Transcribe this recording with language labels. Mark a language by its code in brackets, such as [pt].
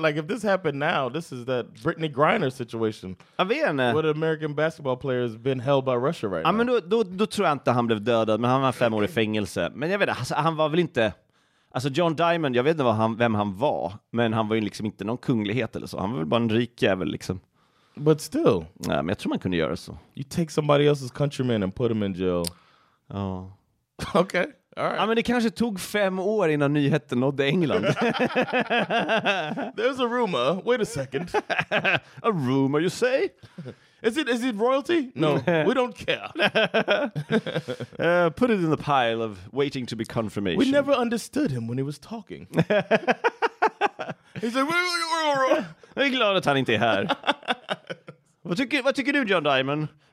[en] Like if this happened now, this is that Brittany Griner situation. [sv] Jag vet inte. [en] What American basketball player has been held by Russia right now? [sv] Men då tror jag inte han blev dödad, men han var 5 år i fängelse. Men jag vet, alltså, han var väl inte. Alltså John Diamond, jag vet inte vem han var, men han var ju liksom inte någon kunglighet eller så. Han var väl bara en rik jävel liksom. [en] But still. [sv] Ja, men jag tror man kunde göra så. [en] You take somebody else's countryman and put him in jail. [sv] Ja. [en] Okay. All right. [sv] Ja, men det kanske tog 5 år innan nyheten nådde England. [en] There's a rumor. Wait a second. A rumor, you say? Is it royalty? No, we don't care. Put it in the pile of waiting to be confirmation. We never understood him when he was talking. He's like, [sv] jag är glad att han inte är här. Vad tycker du, John Diamond?